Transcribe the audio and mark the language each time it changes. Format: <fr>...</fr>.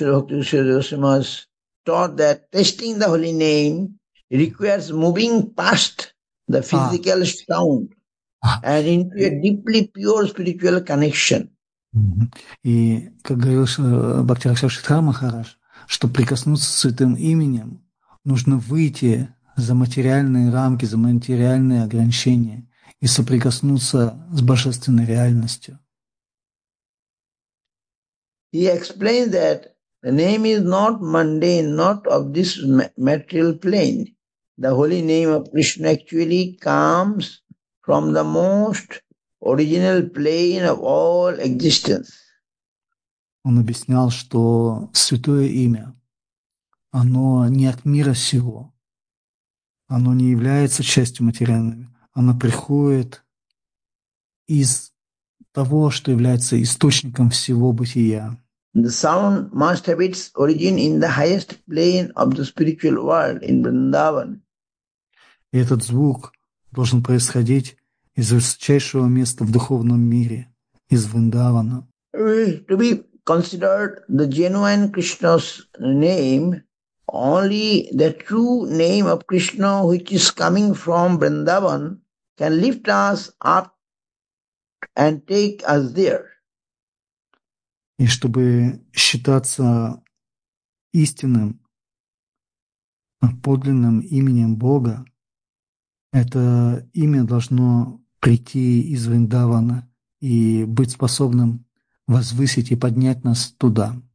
<en>Then Shri Bhakti Goswami taught that tasting the holy name requires moving past the physical sound. And into a deeply pure spiritual connection.</en> <ru>И как говорил Бхактирасав Шридхар Махарадж, что прикоснуться к святым именем нужно выйти за материальные рамки, за материальные ограничения и соприкоснуться с божественной реальностью.</ru> <en>He explained that the name is not mundane, not of this material plane. The holy name of Krishna actually comes from the most original plane of all existence.</en> <ru>Он объяснял, что святое имя, оно не от мира сего. Оно не является частью материальной. Оно приходит из того, что является источником всего бытия.</ru> <en>The sound must have its origin in the highest plane of the spiritual world, in Vrindavan.</en> <ru>И этот звук должен происходить из высочайшего места в духовном мире, из Вриндавана.</ru> <en>To be considered the genuine Krishna's name, only the true name of Krishna, which is coming from Vrindavan, can lift us up and take us there.</en> <ru>И чтобы считаться истинным, подлинным именем Бога, это имя должно прийти из Вриндавана и быть способным возвысить и поднять нас туда.</ru>